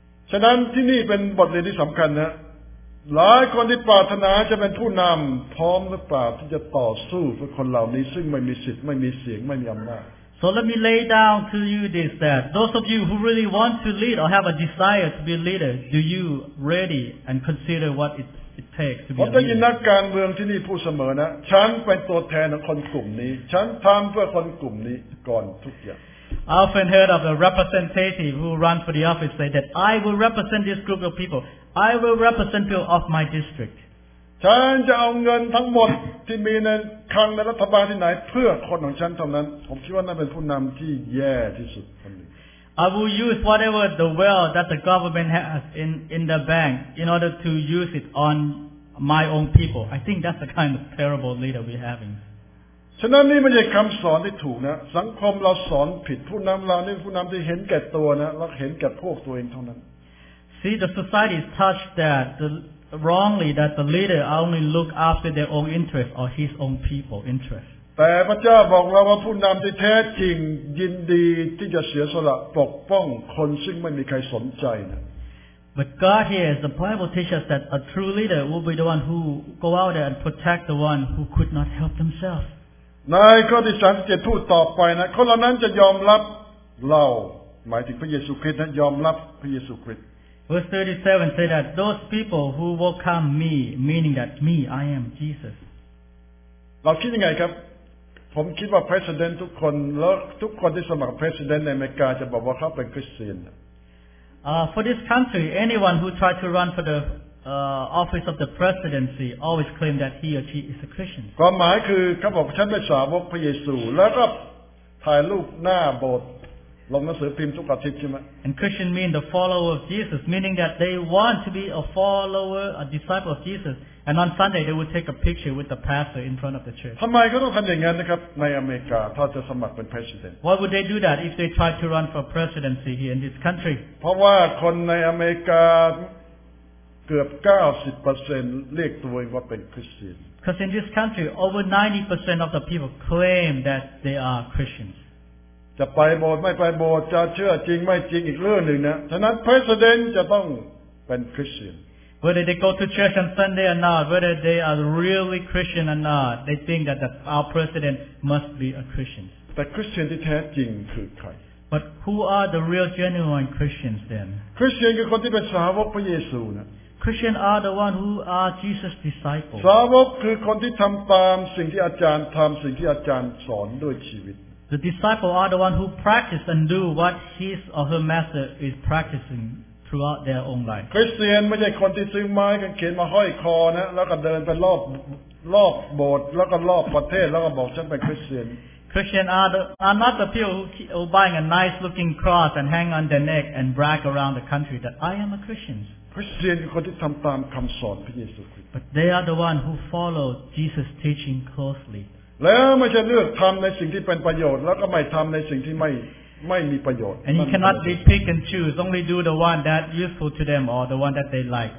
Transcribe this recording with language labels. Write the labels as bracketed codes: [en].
[th] ฉะนั้นที่นี่เป็นบทเรียนที่สำคัญนะหลายคนที่ปรารถนาจะเป็นผู้นำพร้อมหรือเปล่าที่จะต่อสู้กับคนเหล่านี้ซึ่งไม่มีสิทธิ์ไม่มีเสียงไม่มีอำนาจ [en] So let me lay down to you this that those of you who really want to lead or have a desire to be a leader do you ready and consider what it takes to be a leader [th] ผมได้ยินนักการเมืองที่นี่พูดเสมอนะฉันเป็นตัวแทนของคนกลุ่มนี้ฉันทำเพื่อคนกลุ่มนี้ก่อนทุกอย่าง [en] I often heard of a representative who run for the office say that I will represent this group of people. I will represent people of my district. [th] ฉันจะเอาเงินทั้งหมดที่มีในคลังในรัฐบาลที่ไหนเพื่อคนของฉันเท่านั้นผมคิดว่านั่นเป็นผู้นำที่แย่ที่สุดคนนึง [en] I will use whatever the wealth that the government has in the bank in order to use it on my own people. I think that's the kind of terrible leader we're having. [th] ฉะนั้นนี่ไม่ใช่คำสอนที่ถูกนะสังคมเราสอนผิดผู้นำเรานี่ผู้นำที่เห็นแก่ตัวนะแล้วเห็นแก่พวกตัวเองเท่านั้น [en] See the society is touched that the wrongly that the leader only look after their own interest or his own people interest [th] แต่พระเจ้าบอกเราว่าผู้นำที่แท้จริงยินดีที่จะเสียสละปกป้องคนซึ่งไม่มีใครสนใจนะ [en] But God here, the Bible teaches that a true leader will be the one who go out there and protect the one who could not help themsels [th] ในข้อที่37พูดต่อไปนะคนเหล่านั้นจะยอมรับเราหมายถึงพระเยซูคริสต์นะยอมรับพระเยซูคริสต์ [en] Verse 37 say that those people who welcome me meaning that me I am Jesus [th] เราคิดยังไงครับผมคิดว่าประธานทุกคนแล้วทุกคนที่สมัครประธานในอเมริกาจะบอกว่าเขาเป็นคริสเตียน [en] For this country anyone who tried to run for theoffice of the presidency always claim that he or she is a Christian. [th] ความหมายคือเขาบอกฉันเป็นสาวกพระเยซูแล้วก็ถ่ายรูปหน้าโบสถ์ลงหนังสือพิมพ์ทุกอาทิตย์ใช่ไหม [en] And Christian mean the follower of Jesus, meaning that they want to be a follower, a disciple of Jesus. And on Sunday they would take a picture with the pastor in front of the church. [th] ทำไมเขาต้องทำอย่างนั้นนะครับในอเมริกาถ้าจะสมัครเป็น president? [en] Why would they do that if they try to run for presidency here in this country? [th] เพราะว่าคนในอเมริกาเกือบ 90% เรียกตัวเองว่าเป็นคริสเตียน [en] Because in this country over 90% of the people claim that they are Christians [th] จะไปโบสถ์ไม่ไปโบสถ์จะเชื่อจริงไม่จริงอีกเรื่องนึงนะฉะนั้น President จะต้องเป็นคริสเตียน [en] Whether they go to church on Sunday or not whether they are really Christian or not they think that our president must be a Christian [th] แต่คริสเตียนที่แท้จริงคือใคร [en] But who are the real genuine Christians then? [th] Christian คือคนที่เป็นสาวกพระเยซูนะ [en] Christian are the one who are Jesus' disciples. [th] สาวกคือคนที่ทำตามสิ่งที่อาจารย์ทำสิ่งที่อาจารย์สอนด้วยชีวิต [en] The disciple are the one who practice and do what his or her master is practicing throughout their own life. [th] Christian ไม่ใช่คนที่ซื้อไม้กางเขนมาห้อยคอนะแล้วก็เดินไปรอบโบสถ์แล้วก็รอบประเทศแล้วก็บอกฉันเป็นคริสเตียน [en] Christians are not the people who buying a nice looking cross and hang on their neck and brag around the country that I am a Christian. [th] Christians คือที่ทำตามคำสอนพระเยซูคริสต์ [en] But they are the one who follow Jesus teaching closely. [th] แล้วไม่ใช่เลือกทำในสิ่งที่เป็นประโยชน์แล้วก็ไม่ทำในสิ่งที่ไม่มีประโยชน์ [en] And you cannot be pick and choose. Only do the one that useful to them or the one that they like.